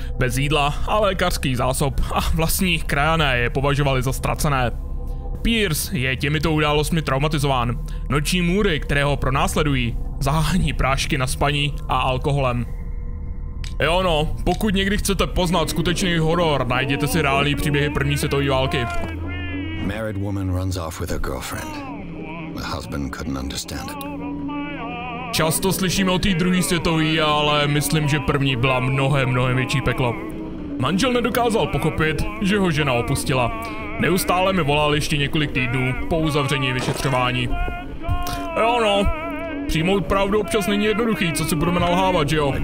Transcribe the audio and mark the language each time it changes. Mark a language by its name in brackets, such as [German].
[Czech] Bez jídla a lékařských zásob a vlastní krajané je považovali za ztracené. Pierce je těmito událostmi traumatizován. Noční můry, které ho pronásledují, zahání prášky na spaní a alkoholem. Jo no, pokud někdy chcete poznat skutečný horor, najděte si reální příběhy první světové války. [English] Married woman runs off with her girlfriend. The husband couldn't understand it. [Czech] Často slyšíme o té druhé světové, ale myslím, že první byla mnohem větší peklo. Manžel nedokázal pochopit, že ho žena opustila. Neustále mi volal ještě několik týdnů po uzavření vyšetřování. Jo no, přijmout pravdu občas není jednoduchý, co si budeme nalhávat, že jo?